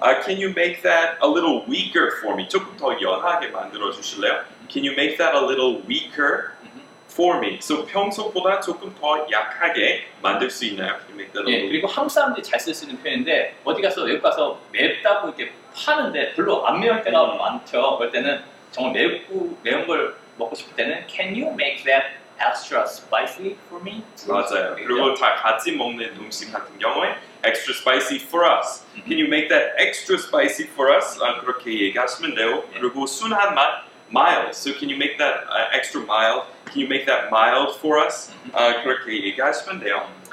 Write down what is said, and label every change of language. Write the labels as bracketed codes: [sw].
[en] Can you make that a little weaker for me? [ko] 조금 더 연하게 만들어 주실래요? [en] Can you make that a little weaker for me? [ko] So 평소보다 조금 더 약하게 만들 수 있나요? [en] Can you make that a little [ko] 예, 그리고 한국 사람들이 잘 쓸 수 있는 표현인데 어디 가서 외국 가서 맵다고 이렇게 파는데 별로 안 매울 때가 많죠. 그럴 때는 정말 맵고 매운 걸 먹고 싶을 때는 [en] Can you make that extra spicy for me? [ko] 맞아요. 그리고 다 같이 먹는 음식 같은 경우에 [en] extra spicy for us. Can you make that extra spicy for us? [ko] 그렇게 얘기하시면 돼요. 그리고 순한 맛, [en] mild. So can you make that extra mild? Can you make that mild for us? [ko] 그렇게 얘기하시면 돼요.